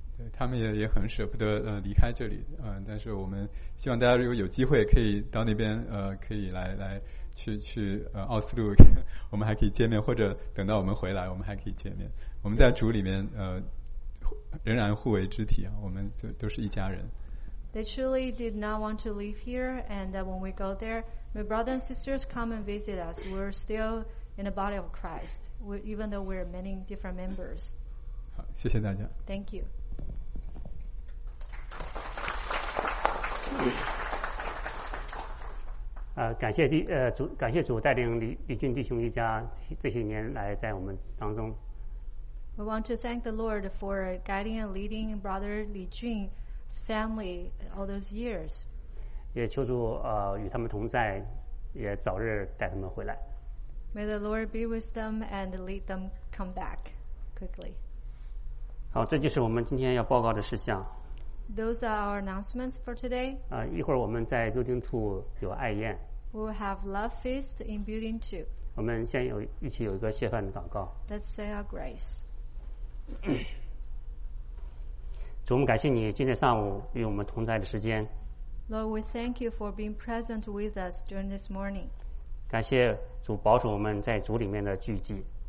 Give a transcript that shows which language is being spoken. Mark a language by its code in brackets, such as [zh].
[zh] 对，他们也很舍不得离开这里，但是我们希望大家如果有机会可以到那边可以来去奥斯陆，我们还可以见面，或者等到我们回来我们还可以见面。我们在主里面仍然互为肢体，我们都是一家人。 [en] They truly did not want to leave here, and when we go there, my brother and sisters come and visit us. We're still in the body of Christ, even though we're many different members. [zh] 好，谢谢大家。 [en] Thank you. [zh] 感谢感谢主带领李俊弟兄一家这些年来在我们当中。 [en] We want to thank the Lord for guiding and leading Brother Li Jun. Family, all those years. [zh] 也求主与他们同在，也早日带他们回来。 [en] May the Lord be with them and lead them come back quickly. [zh] 好，这就是我们今天要报告的事项。 [en] Those are our announcements for today. [zh] 一会儿我们在 Building 2有爱宴。 [en] We'll have love feast in Building 2. [zh] 我们先一起有一个谢饭的祷告。 [en] Let's say our grace. [zh] 主，我们感谢你今天上午与我们同在的时间。 [en] Lord, we thank you for being present with us during this morning. [zh] 感谢主保守我们在主里面的聚集。